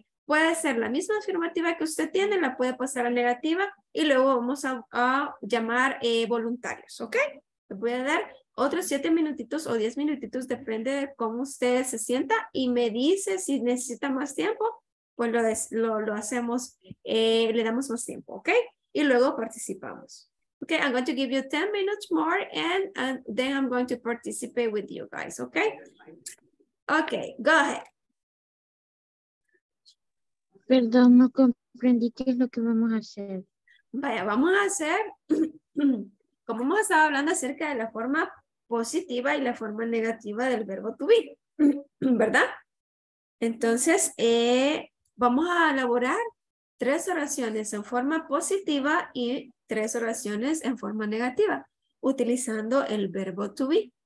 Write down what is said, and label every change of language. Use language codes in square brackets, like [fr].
[es] Puede ser la misma afirmativa que usted tiene, la puede pasar a negativa y luego vamos a llamar voluntarios. ¿Ok? Les voy a dar otros 7 minutitos o 10 minutitos, depende de cómo usted se sienta y me dice si necesita más tiempo, pues lo hacemos, le damos más tiempo, ¿ok? Y luego participamos. [en] Ok, I'm going to give you 10 minutes more and then I'm going to participate with you guys, ¿ok? Ok, go ahead. [es] Perdón, no comprendí qué es lo que vamos a hacer. Vaya, vamos a hacer, como hemos estado hablando acerca de la forma positiva y la forma negativa del verbo to be, ¿verdad? Entonces, vamos a elaborar tres oraciones en forma positiva y tres oraciones en forma negativa, utilizando el verbo to be.